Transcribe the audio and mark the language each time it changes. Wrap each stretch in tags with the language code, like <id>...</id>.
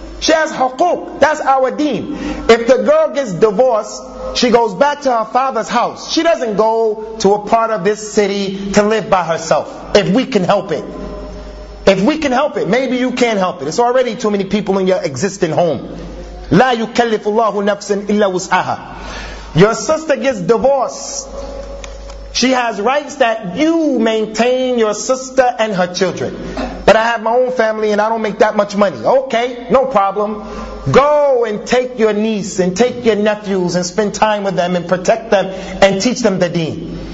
<en>She has huquq. That's our deen. If the girl gets divorced, she goes back to her father's house. She doesn't go to a part of this city to live by herself. If we can help it. If we can help it, maybe you can help it. It's already too many people in your existing home.</en> <ar>لا يكلف الله نفسا إلا وسعها.</ar> <en>Your sister gets divorced. She has rights that you maintain your sister and her children. But I have my own family and I don't make that much money. Okay, no problem. Go and take your niece and take your nephews and spend time with them and protect them and teach them the deen.</en>